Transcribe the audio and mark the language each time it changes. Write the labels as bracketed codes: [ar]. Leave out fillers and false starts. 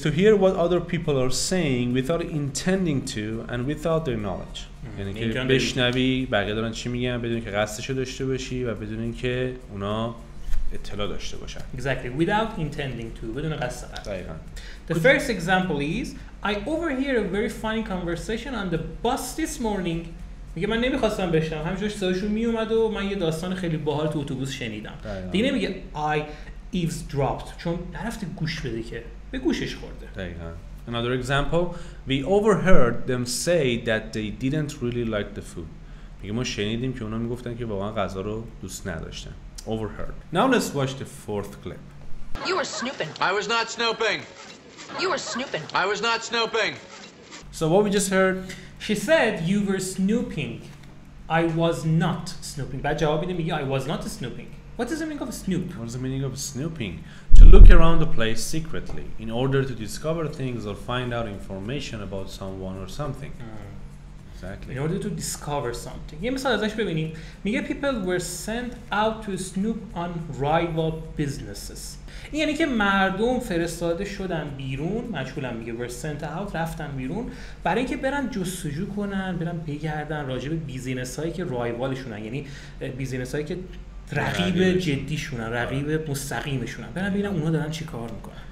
[en] to hear what other people are saying without intending to and without their knowledge. [fa] یعنی که بشنوی بقیه دارن چی میگن بدون که قصدشو داشته باشی و بدون اینکه اونا اطلاع داشته باشن. [en] Exactly. Without intending to. [fa] بدون قصد قبلی. دقیقاً. [en] The first example is I overhear a very funny conversation on the bus this morning. [fa] میگه من نمیخواستم بشنوم. همینجوری صداشون میومد و من یه داستان خیلی باحال تو اتوبوس شنیدم. دیگه نمیگه [en] I eavesdropped [fa] چون نرفته گوش بده که به گوشش خورده. دقیقاً. [en] Another example, we overheard them say that they didn't really like the food. [fa] میگه ما شنیدیم که اونا میگفتن که واقعا غذا رو دوست نداشتن. [en] Overheard. Now let's watch the fourth clip. You were snooping. I was not snooping. You were snooping. I was not snooping. So what we just heard? She said you were snooping. I was not snooping. [fa] بعد جوابی نمیگی [en] I was not snooping. What is the meaning of a snoop? What is the meaning of snooping? To look around the place secretly in order to discover things or find out information about someone or something. Exactly. In order to discover something. [fa] یه مثال ازش ببینیم. میگه [en] people were sent out to snoop on rival businesses. [fa] این یعنی که مردم فرستاده شدن بیرون، مشغول میگه [en] were sent out، [fa] رفتن بیرون برای اینکه برن جستجو کنن، برن بگردن راجع به بیزینس هایی که رایوالشونن، یعنی بیزینس هایی که رقیب جدیشونن، رقیب مستقیمشونن. برن ببینن اونا دارن چی کار میکنن.